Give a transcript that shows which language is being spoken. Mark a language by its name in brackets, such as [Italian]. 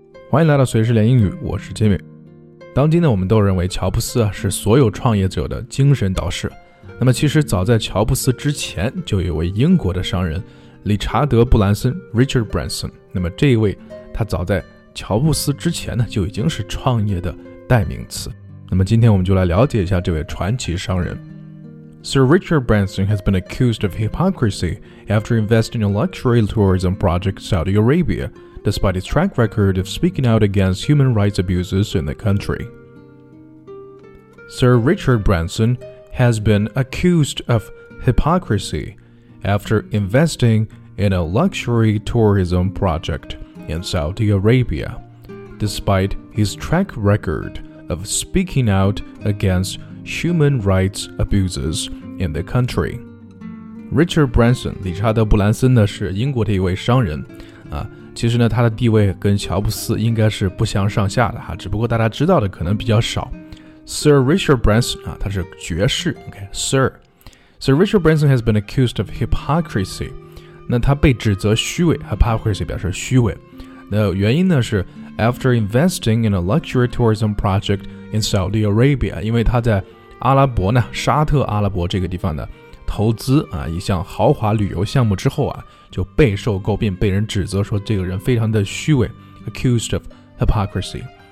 [Chinese] 欢迎来到随时练英语，我是 Jimmy。当今呢，我们都认为乔布斯是所有创业者的精神导师。那么，其实早在乔布斯之前，就有一位英国的商人理查德·布兰森 （Richard Branson）。那么，这一位他早在乔布斯之前呢，就已经是创业的代名词。那么，今天我们就来了解一下这位传奇商人。 [English] Sir Richard Branson has been accused of hypocrisy after investing in luxury tourism project Saudi Arabia, despite his track record of speaking out against human rights abuses in the country. Sir Richard Branson has been accused of hypocrisy after investing in a luxury tourism project in Saudi Arabia, despite his track record of speaking out against human rights abuses. In the country, [Chinese] Richard Branson, 理查德·布兰森呢是英国的一位商人，啊，其实呢他的地位跟乔布斯应该是不相上下的哈，只不过大家知道的可能比较少。 Sir Richard Branson 啊，他是爵士 ，OK，Sir。 [English] Sir Richard Branson has been accused of hypocrisy， [Chinese] 那他被指责虚伪 [English] ，hypocrisy [Chinese] 表示虚伪。那原因呢是 [English] after investing in a luxury tourism project in Saudi Arabia， [Chinese] 因为他在阿拉伯呢，沙特阿拉伯这个地方呢，投资啊一项豪华旅游项目之后啊，就备受诟病，被人指责说这个人非常的虚伪 ， [English] accused of hypocrisy。